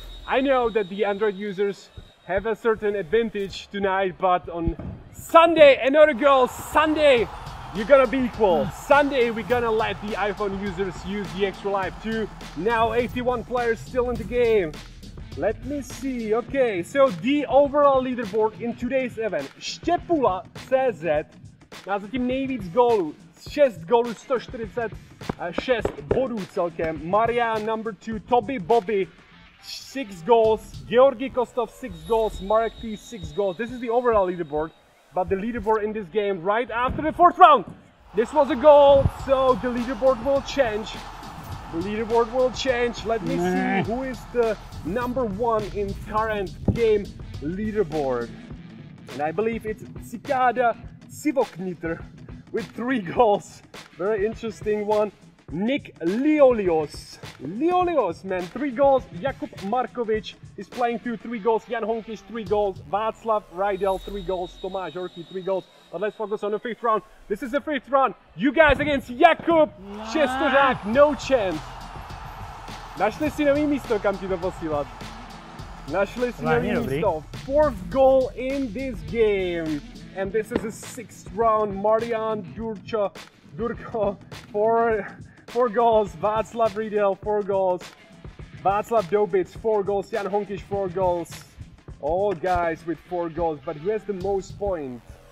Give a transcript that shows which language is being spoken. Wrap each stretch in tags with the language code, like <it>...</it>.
<en>I know that the Android users have a certain advantage tonight, but on Sunday, another goal, Sunday, you're gonna be equal. Sunday, we're gonna let the iPhone users use the extra life too. Now 81 players still in the game. Let me see, okay. So the overall leaderboard in today's event.</en> <cs>Štěpula CZ, má zatím nejvíc gólů. 6 gólů, 146 bodů celkem.</cs> <en>Maria number 2, Toby Bobby, 6 goals. Georgi Kostov, 6 goals. Marek P, 6 goals. This is the overall leaderboard. But the leaderboard in this game right after the fourth round. This was a goal, so the leaderboard will change. The leaderboard will change. Let me see who is the number one in current game leaderboard. And I believe it's Cikáda Sivokniter with 3 goals. Very interesting one. Nick Liolios. Liolios, man, 3 goals. Jakub Markovic is playing 2-3 goals. Jan Honkyš, 3 goals. Václav Rydel, 3 goals. Tomáš Horký, 3 goals. But let's focus on the fifth round. This is the fifth round. You guys against Jakub Šestořák, no chance.</en> <cs>Našli si nový místo, kam ti to posílat. Našli si nový místo.</cs> <en>Fourth goal in this game. And this is the sixth round. Marian Durko, 4 goals, Václav Riedel, 4 goals, Václav Dobitz, 4 goals, Jan Honkyš, 4 goals, all guys with 4 goals, but who has the most points?</en>